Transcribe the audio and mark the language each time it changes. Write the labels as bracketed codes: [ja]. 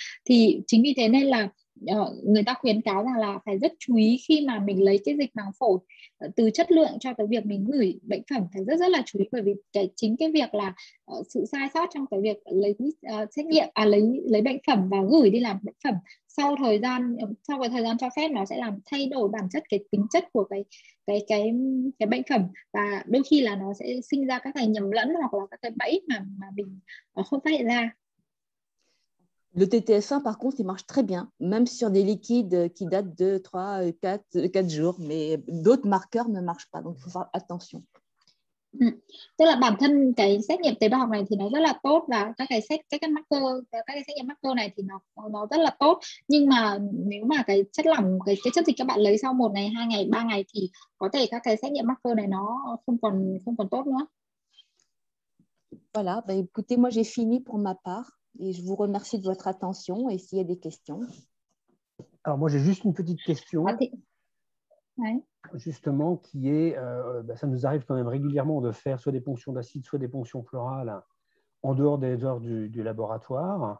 [vi] Thì chính vì thế nên là người ta khuyến cáo rằng là phải rất chú ý khi mà mình lấy cái dịch màng phổi, từ chất lượng cho tới việc mình gửi bệnh phẩm phải rất rất là chú ý, bởi vì chính cái việc là sự sai sót trong cái việc lấy xét nghiệm lấy bệnh phẩm và gửi đi làm bệnh phẩm sau thời gian cho phép, nó sẽ làm thay đổi bản chất cái tính chất của cái bệnh phẩm, và đôi khi là nó sẽ sinh ra các cái nhầm lẫn hoặc là các cái bẫy mà mình không phát hiện ra. [fr] Le TTF1, par contre, il marche très bien, même sur des liquides qui datent de 3, 4, 4 jours, mais d'autres marqueurs ne marchent pas, donc il faut faire attention. [vi] Tức là bản thân cái xét nghiệm tế bào học này thì nó rất là tốt, và các cái xét nghiệm marker này thì nó rất là tốt, nhưng mà nếu mà cái chất lỏng cái chất dịch các bạn lấy sau 1 ngày, 2 ngày, 3 ngày thì có thể các cái xét nghiệm marker này nó không còn tốt nữa. [fr] Voilà, bah écoutez, moi j'ai fini pour ma part. Et je vous remercie de votre attention. Et s'il y a des questions. Alors, moi, j'ai juste une petite question. Justement, qui est, ça nous arrive quand même régulièrement de faire soit des ponctions d'acide, soit des ponctions pleurales en dehors des heures du laboratoire.